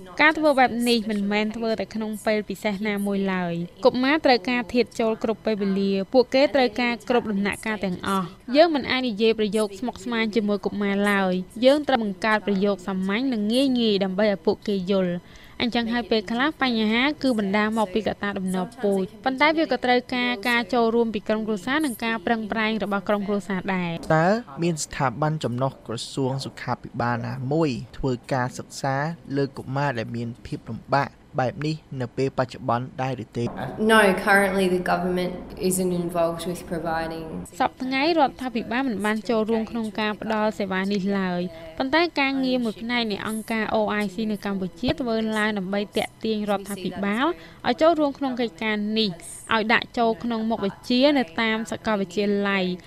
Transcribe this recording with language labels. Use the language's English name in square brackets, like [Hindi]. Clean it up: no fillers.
[Khmer] ការធ្វើបែបនេះមិនមែនធ្វើតែក្នុងពេលពិសេសណាមួយឡើយកុមារត្រូវការធាតចូលគ្រប់ពេលវេលាពួកគេត្រូវការគ្រប់ដំណាក់កាលទាំងអស់យើងមិនអាចនិយាយប្រយោគស្មុគស្មាញជាមួយកុមារឡើយយើងត្រូវបង្កើតប្រយោគសាមញ្ញនិងងាយងាយដើម្បីឲ្យពួកគេយល់អញ្ចឹងហើយពេលខ្លះបញ្ហាគឺបណ្ដាលមកពីកត្តាដំណពូចប៉ុន្តែវាក៏ត្រូវការការចូលរួមពីក្រុមគ្រួសារនិងការប្រឹងប្រែងរបស់ក្រុមគ្រួសារដែរ តើមានស្ថាប័នចំណុះក្រសួងសុខាភិបាលណាមួយធ្វើការសិក្សាលើកុមារដែលមានភាពលំបាកបែបនេះនៅពេលបច្ចុប្បន្នដែរឬទេ [English] No currently the government isn't involved with providing [Khmer] សប្តាហ៍រដ្ឋាភិបាលមិនបានចូលរួមក្នុងការផ្តល់សេវានេះឡើយប៉ុន្តែការងារមួយផ្នែកនៃអង្គការ OIC នៅកម្ពុជាធ្វើឡើងដើម្បីទាក់ទាញរដ្ឋាភិបាលឲ្យចូលរួមក្នុងកិច្ចការនេះឲ្យដាក់ចូលក្នុងមុខវិជ្ជានៅតាមសាកលវិទ្យាល័យ